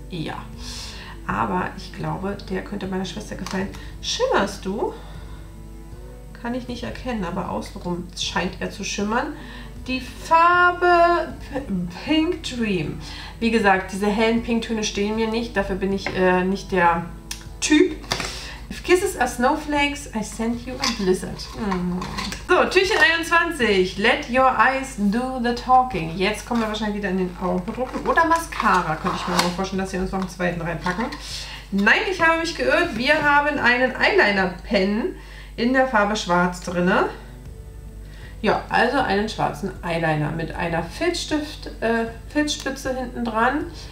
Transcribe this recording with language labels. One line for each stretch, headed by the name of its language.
German: Ja, aber ich glaube, der könnte meiner Schwester gefallen. Schimmerst du? Kann ich nicht erkennen, aber außenrum scheint er zu schimmern. Die Farbe Pink Dream. Wie gesagt, diese hellen Pinktöne stehen mir nicht, dafür bin ich nicht der Typ.
English: If kisses are snowflakes, I send you a blizzard.
German: So, Türchen 21.
English: Let your eyes do the talking.
German: Jetzt kommen wir wahrscheinlich wieder in den Augenbedrucken. Oder Mascara, könnte ich mir mal vorstellen, dass wir uns noch einen zweiten reinpacken. Nein, ich habe mich geirrt. Wir haben einen Eyeliner-Pen in der Farbe Schwarz drin. Ja, also einen schwarzen Eyeliner mit einer Filzspitze hinten dran.